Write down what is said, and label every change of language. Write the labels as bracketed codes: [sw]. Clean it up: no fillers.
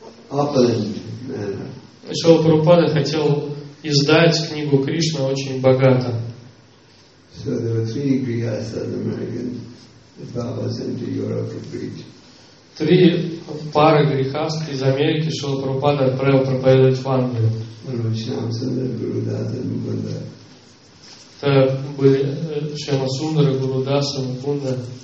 [ru] Шрила Прабхупада хотел издать книгу Кришна очень богато. [en] So there were three grihasthas Americans that Prabhupada sent to Europe to preach. [ru] Три пары грихаст из Америки Шрила Прабхупада отправил проповедовать в Англию. [en] One was Shyama Sundara, Guru Das and Mukunda. [ru] Это были Шьяма Сундара, Гуру Дас и Мукунда.